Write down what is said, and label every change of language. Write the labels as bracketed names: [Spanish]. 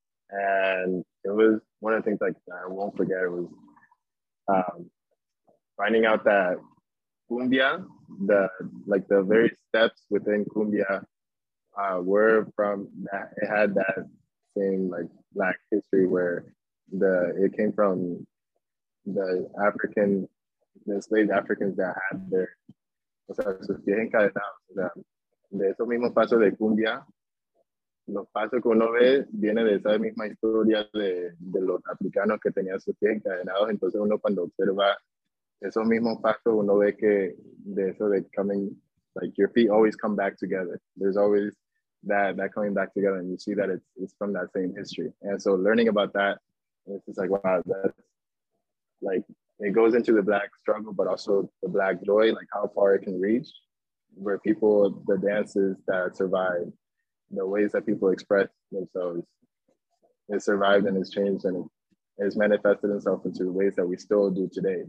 [English] And it was one of the things like that I won't forget. It was finding out that cumbia, the very steps within cumbia, were from that. It had that same like Black history where it came from the enslaved Africans that had their, [Spanish] o sea, sus pies encadenados, de esos mismos pasos de cumbia. Los pasos que uno ve viene de esa misma historia de los africanos que tenían sus pies encadenados. Entonces uno cuando observa esos mismos pasos, uno ve que de eso de [English] coming Like your feet always come back together. There's always that coming back together, and you see that it's from that same history. And so learning about that, it's just like, wow, that's like, it goes into the Black struggle, but also the Black joy, like how far it can reach, where people, the dances that survive, the ways that people express themselves, it survived and it's changed and it's manifested itself into the ways that we still do today.